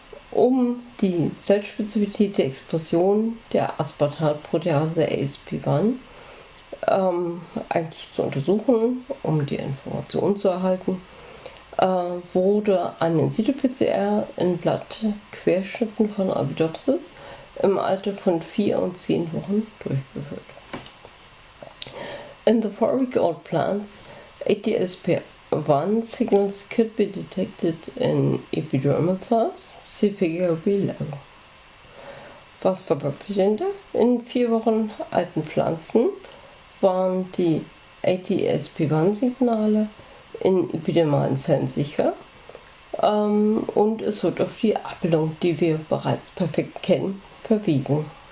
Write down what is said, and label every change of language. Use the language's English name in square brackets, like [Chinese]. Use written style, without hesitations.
[German] Um die Zellspezifität der Expression der Aspartatprotease ASP1 eigentlich zu untersuchen, um die Information zu erhalten, wurde ein In-Situ-PCR in Blattquerschnitten von Orbidopsis im Alter von 4 und 10 Wochen durchgeführt. [English] In the 4-week-old plants, ATSP1 signals could be detected in epidermal cells. [German] Die [English] Figure below. [German] Was verbirgt sich denn da? In 4 Wochen alten Pflanzen waren die ATSP1-Signale in epidermalen Zellen sicher und es wird auf die Abbildung, die wir bereits perfekt kennen, verwiesen.